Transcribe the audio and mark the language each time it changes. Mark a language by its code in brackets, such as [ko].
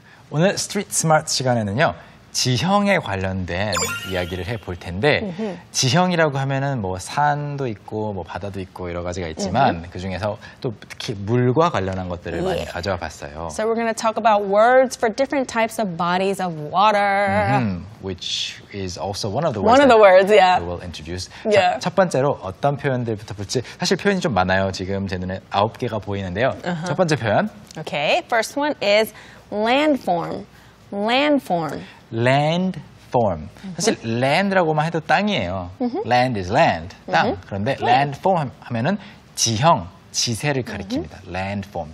[ko] 오늘 스트리트 스마트 시간에는요. 지형에 관련된 이야기를 해볼 텐데 지형이라고 하면은 뭐 산도 있고 뭐 바다도 있고 여러 가지가 있지만 그 중에서 또 특히 물과 관련한 것들을 많이 가져와 봤어요. [en] So we're going to talk about words for different types of bodies of water. Which is also one of the words. One of the words, yeah. We will introduce. Yeah. [ko] 첫 번째로 어떤 표현들부터 볼지 사실 표현이 좀 많아요. 지금 제 눈에 아홉 개가 보이는데요. Uh-huh. 첫 번째 표현. [en] Okay. First one is landform. Landform. [ko] Landform. 사실 land라고만 해도 땅이에요. [en] Land is land, [ko] 땅. 그런데 landform 하면은 지형, 지세를 가리킵니다. Landform.